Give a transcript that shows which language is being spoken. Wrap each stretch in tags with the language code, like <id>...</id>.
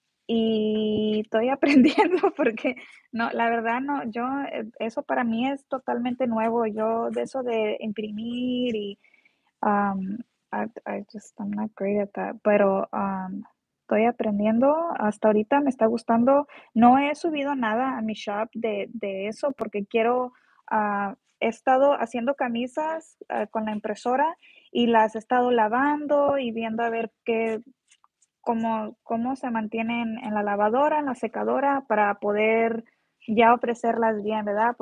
<es>Y estoy aprendiendo porque, no, la verdad, no, yo, eso para mí es totalmente nuevo. Yo, de eso de imprimir y,</es> <en>I'm not great at that.</en> <es>Pero, estoy aprendiendo. Hasta ahorita me está gustando. No he subido nada a mi shop de eso porque quiero, he estado haciendo camisas con la impresora y las he estado lavando y viendo a ver qué. Cómo se mantienen en la lavadora, en la secadora, para poder ya ofrecerlas bien, ¿verdad?</es>